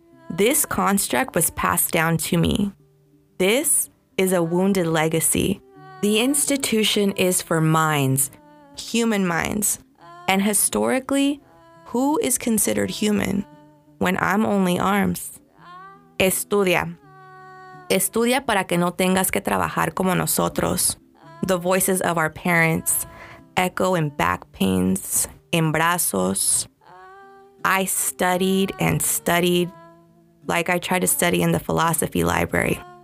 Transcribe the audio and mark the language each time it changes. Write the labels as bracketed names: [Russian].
[English] This construct was passed down to me. This is a wounded legacy. The institution is for minds, human minds. And historically, who is considered human when I'm only arms? [Spanish] Estudia. Estudia para que no tengas que trabajar como nosotros. [English] The voices of our parents echo in back pains, in brazos. I studied and studied like I tried to study in the philosophy library.